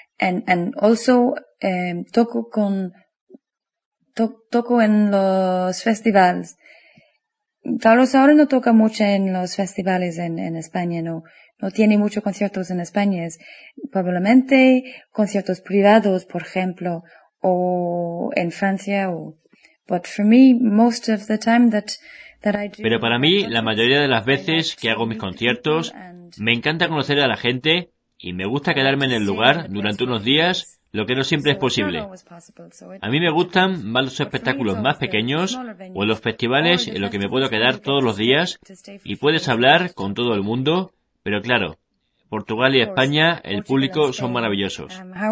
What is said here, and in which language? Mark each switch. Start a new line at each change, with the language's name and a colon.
English: And also
Spanish: toco con... Toco en los festivales. Carlos ahora no toca mucho en los festivales en España, no tiene muchos conciertos en España. Probablemente conciertos privados, por ejemplo, o en Francia.
English: But for me, most of the time that I do.
Spanish: Pero para mí, la mayoría de las veces que hago mis conciertos, me encanta conocer a la gente y me gusta quedarme en el lugar durante unos días. Lo que no siempre es posible. A mí me gustan más los espectáculos más pequeños o los festivales en los que me puedo quedar todos los días y puedes hablar con todo el mundo, pero claro, Portugal y España, el público son maravillosos.